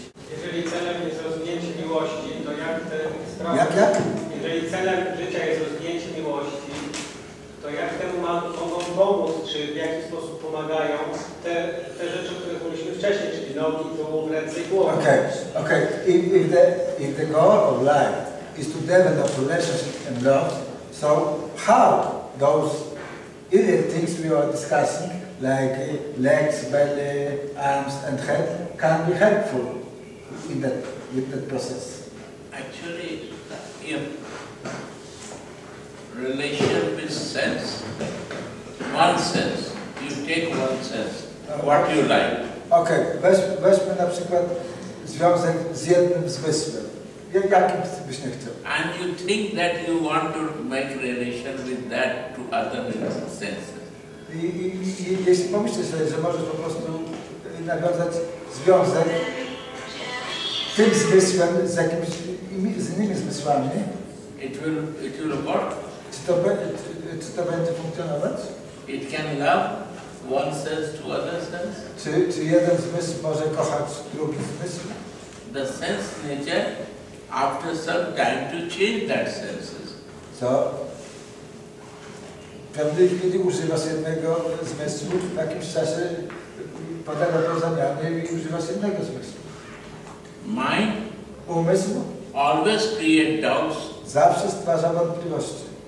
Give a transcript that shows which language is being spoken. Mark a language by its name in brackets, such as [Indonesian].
[Polish] Jeżeli celem jest rozwinięcie miłości, to jak te sprawy... Jak? Jeżeli celem życia jest rozwinięcie miłości, to jak temu mogą pomóc, czy w jaki sposób pomagają te rzeczy, o których mówiliśmy wcześniej, czyli nogi, tułów, ręce i głowy. Okej. [English] If the goal of life is to develop relationship and love, so how those idiot things we are discussing, like legs, belly, arms and head, can be helpful in that process? Actually, if relation with sense, one sense, you take one sense, what you like. [Polish] Okay, weźmy na przykład związek z jednym zmysłem. Jakim byś nie chciał? [English] And you think that you want to make relation with that to other senses. [Polish] I jeśli pomyślisz sobie, że możesz po prostu nawiązać związek tym zmysłem z jakimś z innymi zmysłami, [English] it will work. [Polish] Czy to będzie funkcjonować? [English] It can love one sense to other sense. [Polish] Czy jeden zmysł może kochać drugi zmysł? [English] The sense nature after some time to change that senses. [Polish] So, kiedy używasz jednego zmysłu, w jakimś czasie podlega to zamianie i używasz innego zmysłu. [English] Mind, [Polish] umysł, [English] always create doubts. [Polish] Zawsze stwarza wątpliwości.